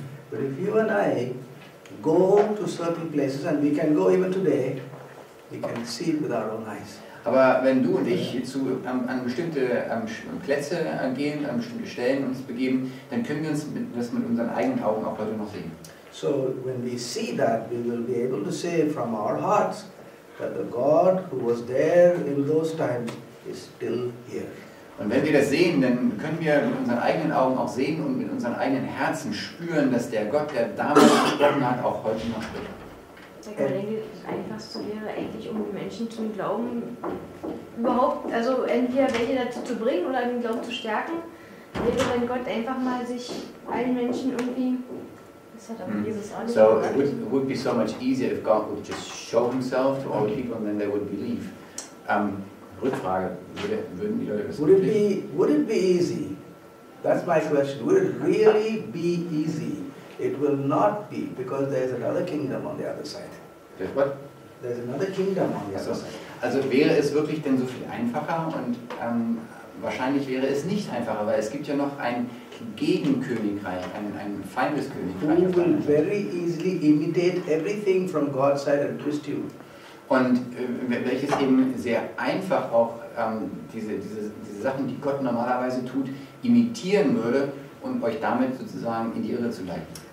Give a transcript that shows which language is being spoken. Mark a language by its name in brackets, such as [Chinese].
[English] But if you and I go to certain places, and we can go even today, We can see it with our own eyes. [German] Aber wenn du und ich zu an bestimmte Plätze gehen, an bestimmte Stellen uns begeben, dann können wir uns das mit unseren eigenen Augen auch heute noch sehen. [English] So when we see that, we will be able to say from our hearts that the God who was there in those times is still here. [German] Und wenn wir das sehen, dann können wir mit unseren eigenen Augen auch sehen und mit unseren eigenen Herzen spüren, dass der Gott, der damals gesprochen hat, auch heute noch spricht. Ich denke, das Einfachste wäre eigentlich, um die Menschen zum Glauben überhaupt, also entweder welche dazu zu bringen oder den Glauben zu stärken, wäre, wenn Gott einfach mal sich allen Menschen irgendwie... [English] So it would be so much easier if God would just show himself to all people and then they would believe. [German] Rückfrage, würden die Leute das [English] would it be believe? Would it be easy? That's my question. Would it really be easy? It will not be, because there's another kingdom on the other side. There's what? There's another kingdom on the other side. [German] Also wäre es wirklich denn so viel einfacher? Und wahrscheinlich wäre es nicht einfacher, weil es gibt ja noch ein Gegenkönigreich, ein feindes Königreich. [English] Who will very easily imitate everything from God's side and twist you. [German] Und welches eben sehr einfach auch diese Sachen, die Gott normalerweise tut, imitieren würde und euch damit sozusagen in die Irre zu leiten.